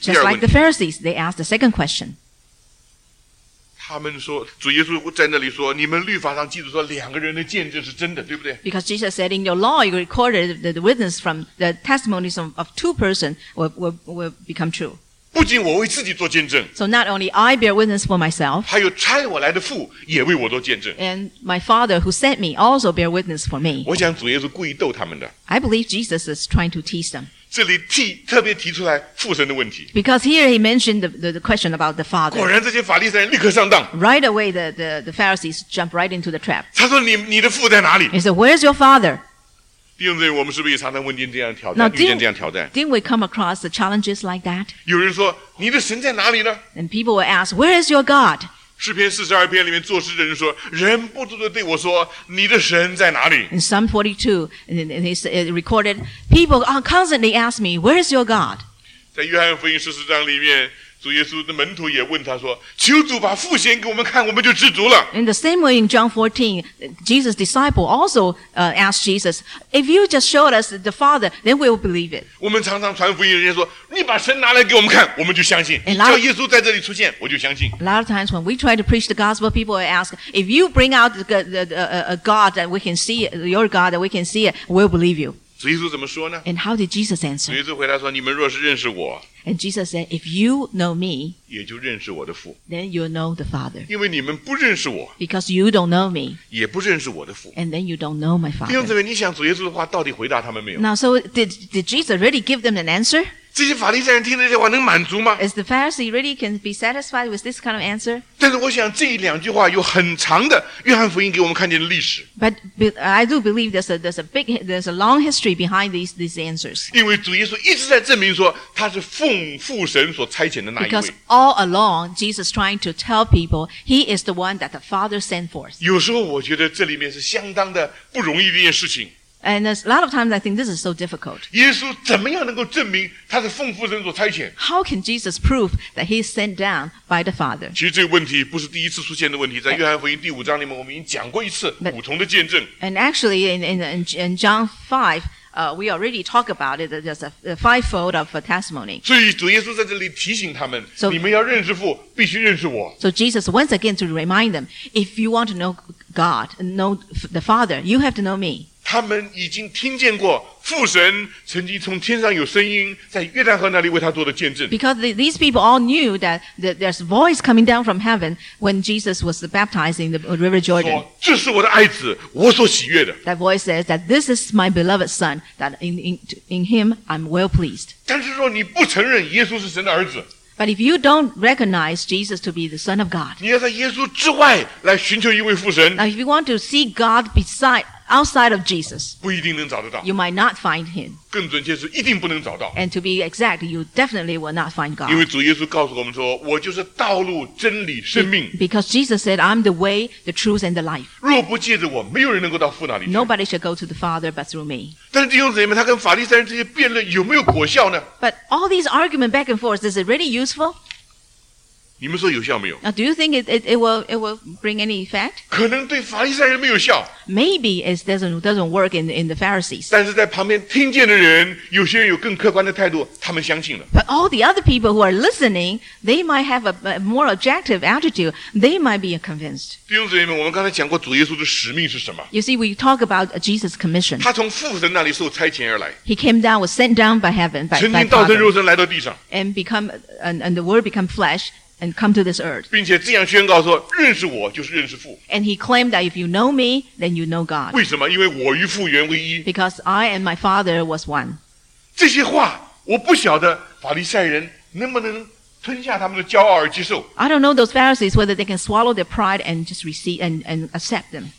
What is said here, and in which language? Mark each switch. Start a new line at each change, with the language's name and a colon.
English: Just like the Pharisees, they asked the second question.
Chinese: 他们说主耶稣在那里说你们律法上记住说两个人的见证是真的对不对
English: ?Because Jesus said in your law, you recorded the witness from the testimonies of two persons will become true.
Chinese: 不仅我为自己做见证
English: So not only I bear witness for myself
Chinese: 还有差我来的父也为我做见证
English: And my father who sent me also bear witness for me
Chinese: 我想主耶稣故意逗他们的
English: I believe Jesus is trying to tease them
Chinese: 这里特别提出来父神的问题
English: Because here he mentioned the question about the father
Chinese: 果然这些法利赛人立刻上当
English: Right away the Pharisees jump right into the trap
Chinese: 他说你的父在哪里
English: He said where's your father?
Chinese: 弟兄姊妹，我们是不是也常常问见这样的挑战？
English: Now,
Chinese: 遇见这样的挑战
English: ？Didn't we come across the challenges like that？
Chinese: 有人说：“你的神在哪里呢
English: ？”And people will ask, "Where is your God？"
Chinese: 诗篇四十二篇里面作诗的人说：“人不住地对我说，你的神在哪里
English: ？”In Psalm 42, and it recorded, people are constantly ask me, "Where is your God？"
Chinese: 在约翰福音十四章里面。主耶稣的门徒也问他说：“求主把父显给我们看，我们就知足了。”
English: In the same way, in John 14, Jesus' disciple also asked Jesus, "If you just showed us the Father, then we will believe it."
Chinese: 我们常常传福音，人家说：“你把神拿来给我们看，我们就相信。” 叫耶稣在这里出现，我就相信。
English: A lot of times when we try to preach the gospel, people will ask, "If you bring out a God that we can see, your God that we can see, we'll believe you."
Chinese: 主耶稣怎么说呢？
English: And how did Jesus answer?
Chinese: 主耶稣回答说，你们若是认识我，
English: And Jesus said, if you know me,
Chinese: 也就认识我的父，
English: then you'll know the Father.
Chinese: 因为你们不认识我，
English: Because you don't know me,
Chinese: 也不认识我的父，
English: And then you don't know my Father.
Chinese: 弟兄姊妹，你想主耶稣的话到底回答他们没有？
English: Now, so did Jesus really give them an answer?
Chinese: 这些法利赛人听这些话能满足吗？
English: Is the Pharisee really can be satisfied with this kind of answer?
Chinese: 但是我想这两句话有很长的约翰福音给我们看见的历史。
English: But I do believe there's a long history behind these answers.
Chinese: 因为主耶稣一直在证明说他是奉父神所差遣的那一位。
English: Because all along, Jesus trying to tell people, he is the one that the Father sent forth.
Chinese: 有时候我觉得这里面是相当的不容易的一件事情。
English: And a lot of times I think this is so difficult.
Chinese: 耶稣怎么样能够证明他是奉父神所差遣？
English: How can Jesus prove that he is sent down by the Father?
Chinese: 其实这个问题不是第一次出现的问题，在约翰福音第五章里面我们已经讲过一次五重的见证。
English: And actually in John 5,we already talk about it, there's a fivefold of a testimony.
Chinese: 所以主耶稣在这里提醒他们，
English: so,
Chinese: 你们要认识父必须认识我。
English: So Jesus once again to remind them, if you want to know God, know the Father, you have to know me.
Chinese: 他们已经听见过父神曾经从天上有声音在约旦河那里为他做的见证。
English: Because these people all knew that there's a voice coming down from heaven when Jesus was baptized in the river Jordan.
Chinese: 说这是我的爱子，我所喜悦的。
English: That voice says that this is my beloved son, that in him I'm well pleased.
Chinese: 但是说你不承认耶稣是神的儿子。
English: But if you don't recognize Jesus to be the Son of God,
Chinese: 你要在耶稣之外来寻求一位父神。
English: Now if you want to see God besideOutside of Jesus,
Chinese: 不一定能找得到。
English: You might not find him.
Chinese: 更准确是一定不能找到。
English: And to be exact, you definitely will not find God.
Chinese: 因为主耶稣告诉我们说，我就是道路、真理、生命。
English: Because Jesus said, I'm the way, the truth, and the life.
Chinese: 若不借着我，没有人能够到父那里去。
English: Nobody shall go to the Father but through me.
Chinese: 但是弟兄姊妹们，他跟法利赛人这些辩论有没有果效呢？
English: But all these arguments back and forth, is it really useful?
Chinese: 你们说有效没有？
English: Now, do you think it will bring any effect?
Chinese: 可能对法利赛人没有效。
English: Maybe it doesn't work in the Pharisees.
Chinese: 但是在旁边听见的人，有些人有更客观的态度，他们相信了。
English: But all the other people who are listening, they might have a more objective attitude. They might be convinced.
Chinese: 弟兄姊妹们，我们刚才讲过主耶稣的使命是什么？
English: You see, we talk about Jesus' commission.
Chinese: 他从父神那里受差遣而来。
English: He came down, was sent down by heaven, by Father.
Chinese: 曾经道成肉身来到地上。
English: And the word become flesh. And come to this earth.
Chinese: 并且这样宣告说，认识我就是认识父。
English: And he claimed that if you know me, then you know God.
Chinese: 为什么？因为我与父原为一。
English: Because I and my Father was one.
Chinese: 这些话，我不晓得法利赛人能不能吞下他们的骄傲而接受。
English: I don't know those Pharisees whether they can swallow their pride and just receive and accept them.